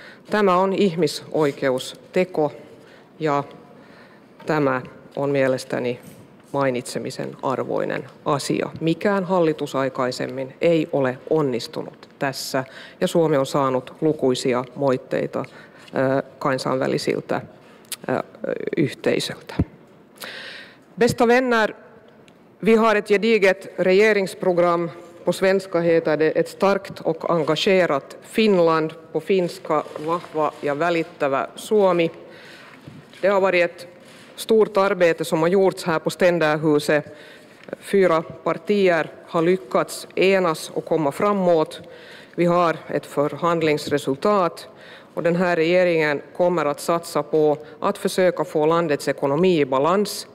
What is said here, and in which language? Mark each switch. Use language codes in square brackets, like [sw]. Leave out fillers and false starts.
[fi] Tämä on ihmisoikeusteko ja tämä on mielestäni mainitsemisen arvoinen asia. Mikään hallitus aikaisemmin ei ole onnistunut tässä ja Suomi on saanut lukuisia moitteita kansainvälisiltä yhteisöltä. [sv] Bästa vänner, vi har ett gediget regeringsprogram. På svenska heter det ett starkt och engagerat Finland. På finska [fi] vahva ja välittävä Suomi. [sv] Det har varit ett stort arbete som har gjorts här på Ständerhuset. Fyra partier har lyckats enas och komma framåt. Vi har ett förhandlingsresultat. Och den här regeringen kommer att satsa på att försöka få landets ekonomi i balans.